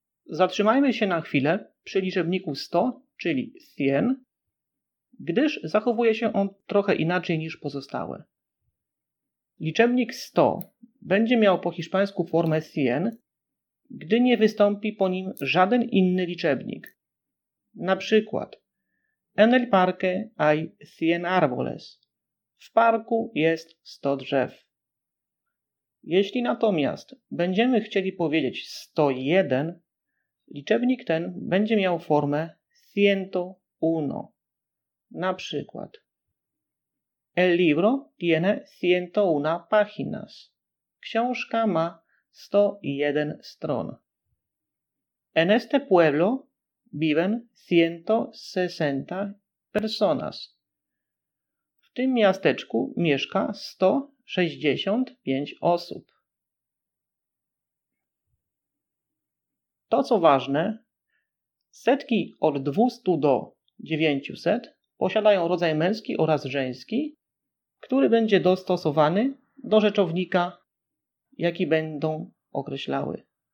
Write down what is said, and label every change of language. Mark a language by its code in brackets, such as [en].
[pl] Zatrzymajmy się na chwilę przy liczebniku 100, czyli 100, gdyż zachowuje się on trochę inaczej niż pozostałe. Liczebnik 100 będzie miał po hiszpańsku formę 100, gdy nie wystąpi po nim żaden inny liczebnik. Na przykład, [es] en el parque hay 100 árboles. [pl] W parku jest 100 drzew. Jeśli natomiast będziemy chcieli powiedzieć 101, liczebnik ten będzie miał formę 101. Na przykład [es] El libro tiene 101 páginas. [pl] Książka ma 101 stron. [es] En este pueblo viven 160 personas. [pl] W tym miasteczku mieszka 165 osób. To co ważne, setki od 200 do 900 posiadają rodzaj męski oraz żeński, który będzie dostosowany do rzeczownika, jaki będą określały.